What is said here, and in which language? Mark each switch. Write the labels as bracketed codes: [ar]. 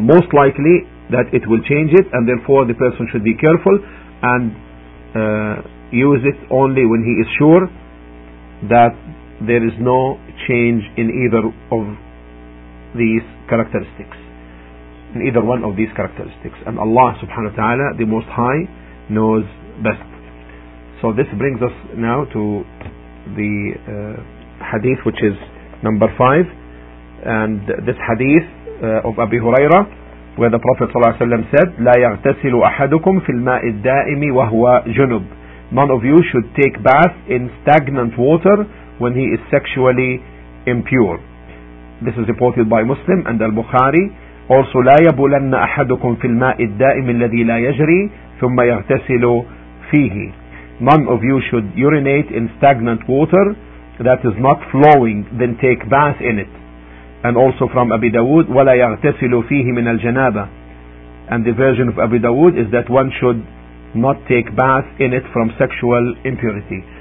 [en] Most likely that it will change it, and therefore the person should be careful and use it only when he is sure that there is no change in either of these characteristics, in either one of these characteristics. And Allah subhanahu wa ta'ala, the Most High, knows best. So this brings us now to the hadith, which is number 5. And this hadith of Abi Hurairah, where the Prophet ﷺ said, [ar] لا يغتسل أحدكم في الماء الدائم وهو جنب. [en] None of you should take bath in stagnant water when he is sexually impure. This is reported by Muslim and Al-Bukhari. [ar] Also, لا يبولن أحدكم في الماء الدائم الذي لا يجري ثم يغتسل فيه. [en] None of you should urinate in stagnant water that is not flowing, then take bath in it. And also from Abi Dawood, [ar] وَلَا يَغْتَسِلُ فِيهِ مِنَ الْجَنَابَةِ. [en] And the version of Abi Dawood is that one should not take bath in it from sexual impurity.